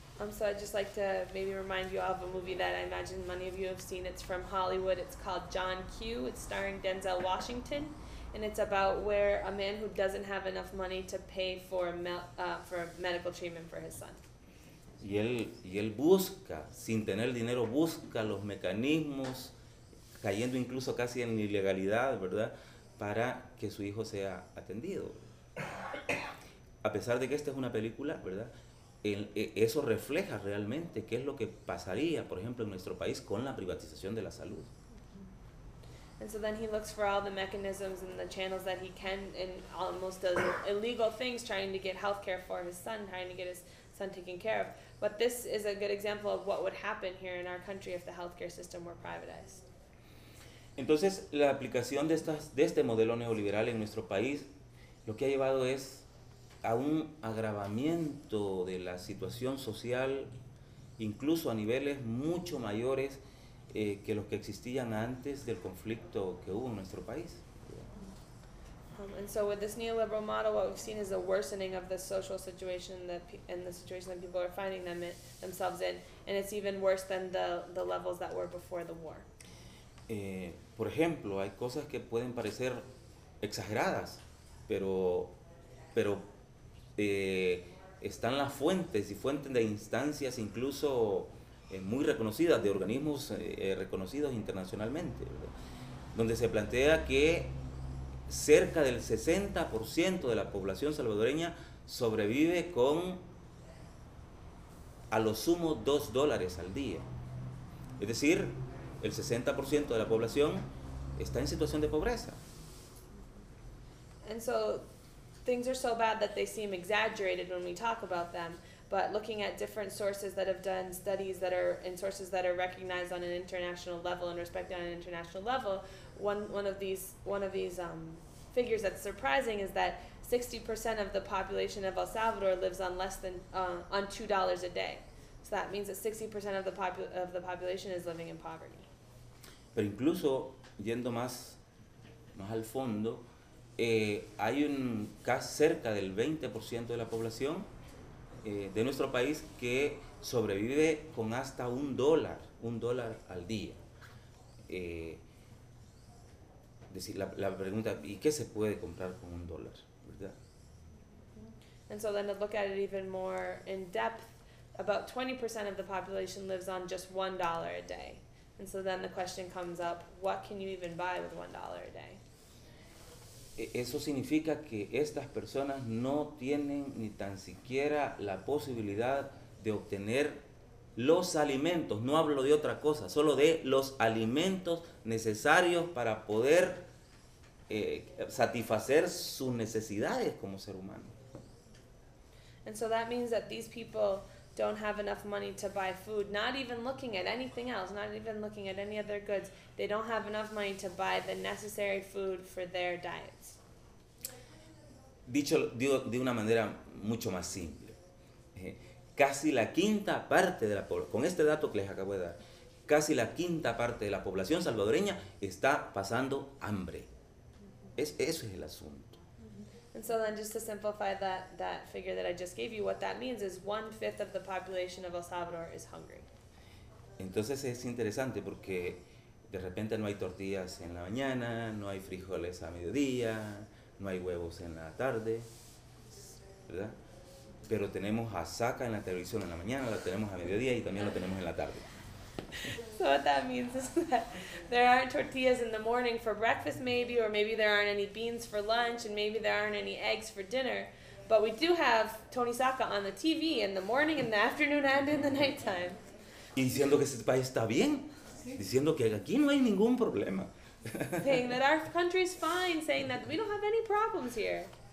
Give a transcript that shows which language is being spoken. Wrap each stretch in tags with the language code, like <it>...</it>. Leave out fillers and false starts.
<en>So I'd just like to maybe remind you of a movie that I imagine many of you have seen. It's from Hollywood. It's called John Q. It's starring Denzel Washington, and it's about where a man who doesn't have enough money to pay for medical treatment for his son.</en> <es>Y él busca, sin tener dinero, busca los mecanismos, cayendo incluso casi en ilegalidad, ¿verdad? Para que su hijo sea atendido. A pesar de que esta es una película, ¿verdad? Eso refleja realmente qué es lo que pasaría, por ejemplo, en nuestro país con la privatización de la salud.</es> <en>And so then he looks for all the mechanisms and the channels that he can and almost does illegal things trying to get health care for his son, trying to get his son taken care of. But this is a good example of what would happen here in our country if the healthcare system were privatized.</en> <es>Entonces, la aplicación de este modelo neoliberal en nuestro país, lo que ha llevado es a un agravamiento de la situación social, incluso a niveles mucho mayores que los que existían antes del conflicto que hubo en nuestro país.</es> <en>And so with this neoliberal model, what we've seen is a worsening of the social situation and the situation that people are finding themselves in, and it's even worse than the levels that were before the war.</en> <es>Por ejemplo, hay cosas que pueden parecer exageradas, pero están las fuentes y fuentes de instancias incluso muy reconocidas, de organismos reconocidos internacionalmente, ¿verdad? Donde se plantea que cerca del 60% de la población salvadoreña sobrevive con a lo sumo $2 al día. Es decir, el 60% de la población está en situación de pobreza.</es> <en>And so things are so bad that they seem exaggerated when we talk about them, but looking at different sources that have done studies that are in sources that are recognized on an international level and respected on an international level, one of these figures that's surprising is that 60% of the population of El Salvador lives on less than on $2 a day. So that means that 60% of the population is living in poverty.</en> <es>Pero incluso yendo más al fondo, hay un caso cerca del 20% de la población de nuestro país que sobrevive con hasta un dólar al día. Decir la pregunta, ¿y qué se puede comprar con un dólar, verdad?</es> <en>And so then to look at it even more in depth, about 20% of the population lives on just $1 a day. And so then the question comes up, what can you even buy with $1 a day?</en> <es>eso significa que estas personas no tienen ni tan siquiera la posibilidad de obtener los alimentos, no hablo de otra cosa, solo de los alimentos necesarios para poder satisfacer sus necesidades como ser humano.</es> <en>And so that means that these people don't have enough money to buy food, not even looking at anything else, not even looking at any other goods. They don't have enough money to buy the necessary food for their diets.</en> <es>Dicho de una manera mucho más simple, casi la quinta parte de la población, con este dato que les acabo de dar, casi la quinta parte de la población salvadoreña está pasando hambre. Eso es el asunto.</es> <en>And so then just to simplify that figure that I just gave you, what that means is 1/5 of the population of El Salvador is hungry.</en> <es>Entonces es interesante porque de repente no hay tortillas en la mañana, no hay frijoles a mediodía, no hay huevos en la tarde, ¿verdad? Pero tenemos asaca en la televisión en la mañana, lo tenemos a mediodía y también lo tenemos en la tarde.</es> <en>So what that means is that there aren't tortillas in the morning for breakfast maybe, or maybe there aren't any beans for lunch, and maybe there aren't any eggs for dinner, but we do have Tony Saca on the TV in the morning, in the afternoon, and in the nighttime.</en> <es>Y diciendo que este país está bien, diciendo que aquí no hay ningún problema.</es> <en>Saying that our country is fine, saying that we don't have any problems here.</en>